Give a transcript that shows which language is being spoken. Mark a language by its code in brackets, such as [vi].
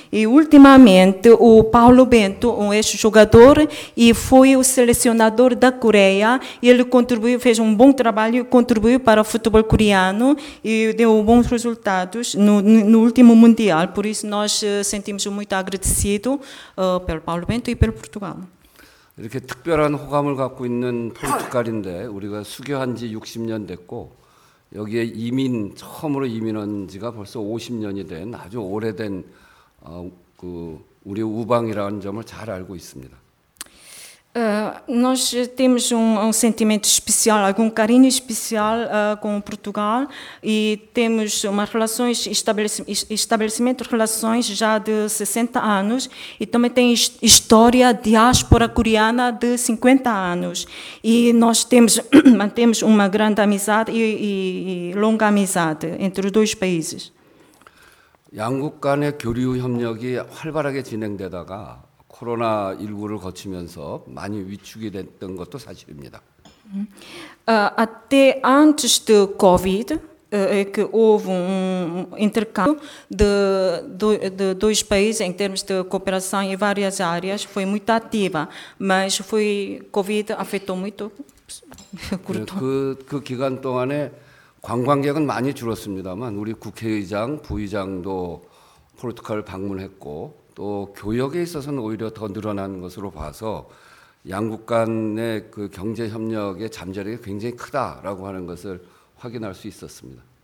[pt] E ultimamente o Paulo Bento, um ex-jogador, e foi o selecionador da Coreia. Ele contribuiu, fez um bom trabalho, contribuiu para o futebol coreano e deu bons resultados no último Mundial. Por isso nós sentimos muito agradecidos pelo Paulo Bento e pelo Portugal. [ko] 이렇게 특별한 호감을 갖고 있는 포르투갈인데 우리가 수교한 지 60년 됐고 여기에 이민 처음으로 이민 온 지가 벌써 50년이 된 아주 오래된 그 우리 우방이라는 점을 잘 알고 있습니다. [pt] Nós temos um sentimento especial, algum carinho especial com Portugal e temos umas relações, estabelecimento de relações já de 60 anos e também tem história diáspora coreana de 50 anos e nós temos, mantemos uma grande amizade e longa amizade entre os dois países. [ko] 양국 간의 교류 협력이 활발하게 진행되다가 코로나19를 거치면서 많이 위축이 됐던 것도 사실입니다. [pt] Até antes do Covid, que houve intercâmbio de dois países em termos de cooperação em várias áreas, foi muito ativa, mas foi Covid afetou muito. [ko] 그 기간 동안에 관광객은 많이 줄었습니다만 우리 국회의장, 부의장도 포르투갈 방문했고 또 교역에 있어서는 오히려 더 늘어난 것으로 봐서 양국 간의 그 경제 협력의 잠재력이 굉장히 크다라고 하는 것을 확인할 수 있었습니다.